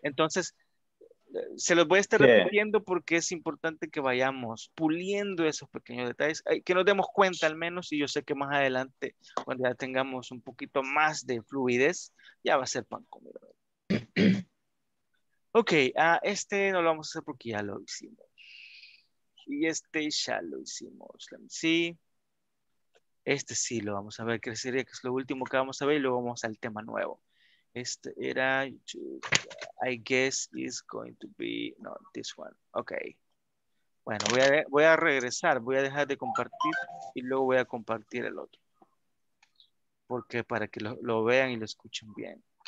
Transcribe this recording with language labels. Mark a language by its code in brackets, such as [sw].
[es] Entonces, se los voy a estar repitiendo porque es importante que vayamos puliendo esos pequeños detalles, que nos demos cuenta al menos, y yo sé que más adelante, cuando ya tengamos un poquito más de fluidez, ya va a ser pan comido. Ok, este no lo vamos a hacer porque ya lo hicimos. Y este ya lo hicimos. [en] Let me see. [es] Este sí lo vamos a ver, que sería que es lo último que vamos a ver, y luego vamos al tema nuevo. Este era, [en] I guess it's going to be, no, this one. [es] Ok. Bueno, voy a regresar. Voy a dejar de compartir y luego voy a compartir el otro. Porque para que lo vean y lo escuchen bien.